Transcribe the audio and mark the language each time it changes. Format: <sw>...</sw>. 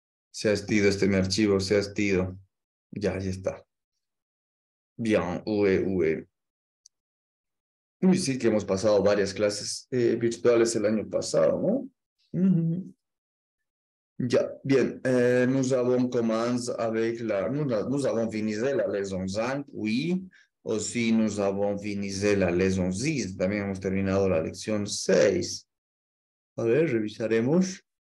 <es>Se ha estido este mi archivo, se ha estido. Ya, ahí está. Bien, Y sí que hemos pasado varias clases virtuales el año pasado, ¿no? Mm-hmm. Ya, bien.</es> <fr>Nous avons commencé avec la... Nous avons fini la leçon 5, oui. O sí, nous avons fini la leçon 6.</fr> <es>También hemos terminado la lección 6. A ver, revisaremos.</es>